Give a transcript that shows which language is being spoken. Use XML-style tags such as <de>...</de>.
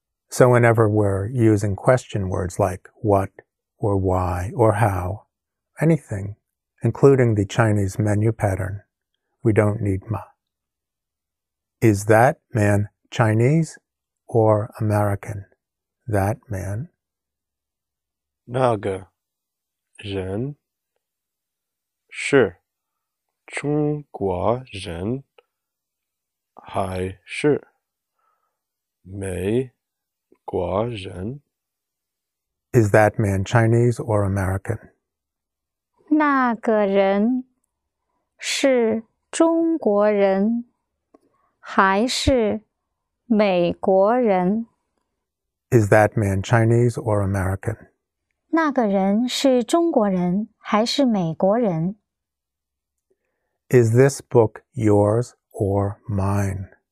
<en>So whenever we're using question words like what or why or how, anything, including the Chinese menu pattern, we don't need ma. Is that man Chinese or American? That man?</en> <zh>那个人 是 中国人 还是 美国人?</zh> <en>Is that man Chinese or American?</en> <zh>那个人 是 中国人 还是 美国人?</zh> <en>Is that man Chinese or American?</en> <zh>那个人是中国人还是美国人?</zh> <en>Is this book yours or mine?</en>